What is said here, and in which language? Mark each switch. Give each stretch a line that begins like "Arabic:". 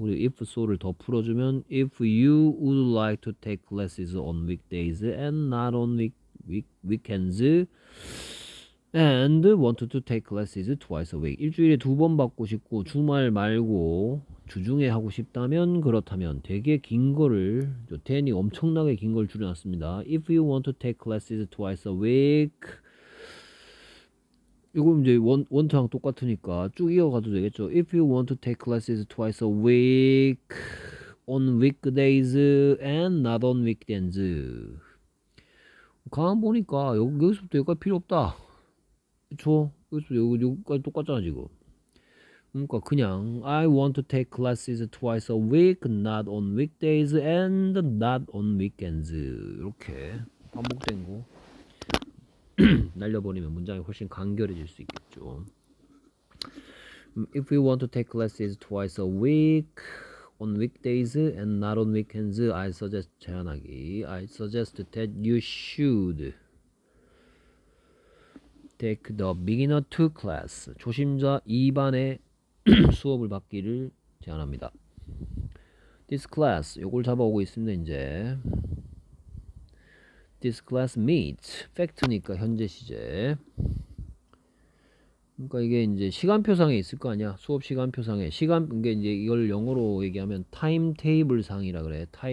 Korean: 그리고
English: if so
Korean: 를 더 풀어주면
English: if you would like to take classes on weekdays and not on weekends. And wanted to take classes twice a week.
Korean: 일주일에 두번 받고 싶고 주말 말고 주중에 하고 싶다면 그렇다면 되게 긴 거를 저 텐이 엄청나게 긴걸 줄여놨습니다.
English: If you want to take classes twice a week.
Korean: 이거 이제 원트랑 똑같으니까 쭉 이어가도 되겠죠.
English: If you want to take classes twice a week on weekdays and not on weekends.
Korean: 가만 보니까 여기서부터 여기까지 필요 없다. 좋아. 여기까지 똑같잖아, 지금. 그러니까 그냥
English: I want to take classes twice a week, not on weekdays and not on weekends.
Korean: 이렇게 반복된 거 날려버리면 문장이 훨씬 간결해질 수 있겠죠.
English: If you want to take classes twice a week, on weekdays and not on weekends, I suggest
Korean: 제안하기.
English: I suggest that you should take the beginner 2 class.
Korean: 초심자 2반의 수업을 받기를 제안합니다.
English: This class,
Korean: 요걸 잡아오고 있습니다, 이제.
English: This class meets. Fact
Korean: 니까, 현재 시제. 그러니까 이게 이제 시간표상에 있을 거 아니야? 수업 시간표상에. 이게 이제 이걸 영어로 얘기하면 타임테이블 상이라 그래.